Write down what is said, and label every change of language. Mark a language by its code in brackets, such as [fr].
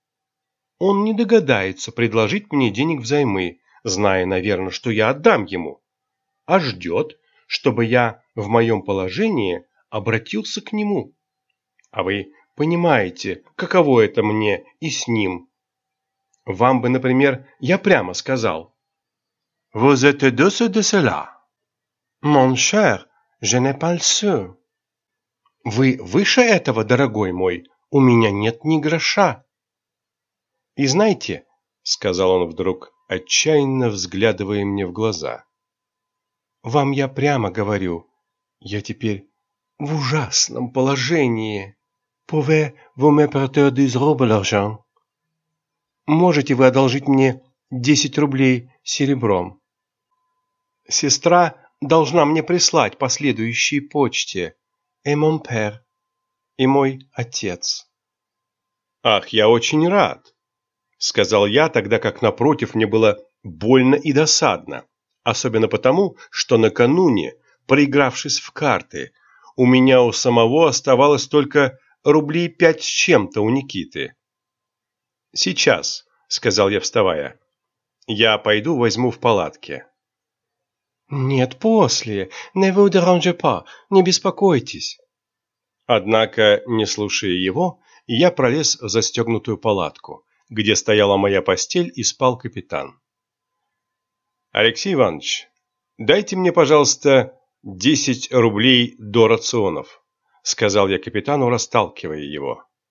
[ru] — Он не догадается предложить мне денег взаймы, зная, наверное, что я отдам ему, а ждет, чтобы я в моем положении обратился к нему. А вы понимаете, каково это мне и с ним. Вам бы, например, я прямо сказал. [fr] Vous êtes de ce de cela. Mon cher, je n'ai pas le sou. [ru] Вы выше этого, дорогой мой, у меня нет ни гроша. И знаете, сказал он вдруг, отчаянно взглядывая мне в глаза, вам я прямо говорю, я теперь в ужасном положении. [fr] Pouvez-vous me prêter 10 rubles d'argent? [ru] Можете вы одолжить мне 10 рублей серебром? Сестра должна мне прислать по следующей почте. [fr] Et mon père. [ru] И мой отец. Ах, я очень рад, сказал я тогда, как напротив мне было больно и досадно, особенно потому, что накануне, проигравшись в карты, у меня у самого оставалось только рублей 5 с чем-то у Никиты. Сейчас, сказал я, вставая, я пойду возьму в палатке. Нет, после. [fr] Ne vous dérangez pas, [ru] не беспокойтесь. Однако, не слушая его, я пролез в застегнутую палатку, где стояла моя постель и спал капитан. Алексей Иванович, дайте мне, пожалуйста, 10 рублей до рационов, сказал я капитану, расталкивая его.